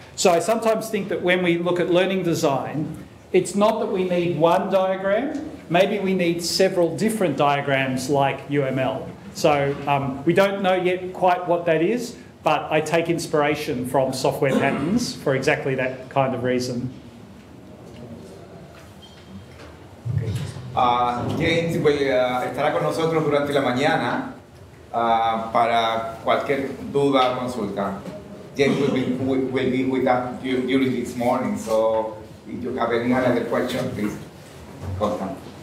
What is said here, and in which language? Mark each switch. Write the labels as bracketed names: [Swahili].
[English] So I sometimes think that when we look at learning design, it's not that we need one diagram, maybe we need several different diagrams like UML. So we don't know yet quite what that is, but I take inspiration from software patterns for exactly that kind of reason. [Spanish] James estará con nosotros durante la mañana para cualquier duda o consulta. [English] James will be with us during this morning, so if you have any other question, please contact.